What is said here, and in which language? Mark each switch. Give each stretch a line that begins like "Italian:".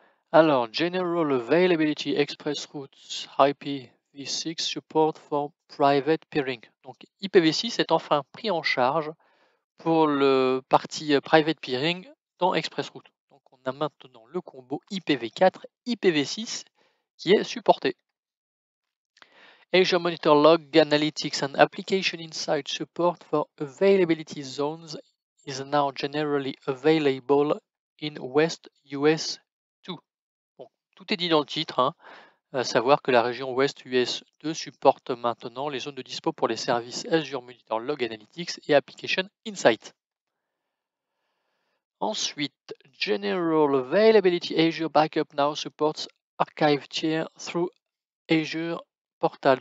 English: Alors, General Availability Express Routes IPv6 Support for Private Peering.
French: Donc, IPv6 est enfin pris en charge pour le partie Private Peering dans Express Route. Donc, on a maintenant le combo IPv4, IPv6 qui est supporté.
English: Azure Monitor Log Analytics and Application Insight Support for Availability Zones is now generally available in West US 2.
French: Bon, tout est dit dans le titre, hein, à savoir que la région West US 2 supporte maintenant les zones de dispo pour les services Azure Monitor Log Analytics et Application Insight. Ensuite,
English: General Availability Azure Backup now supports Archive Tier through Azure Portal.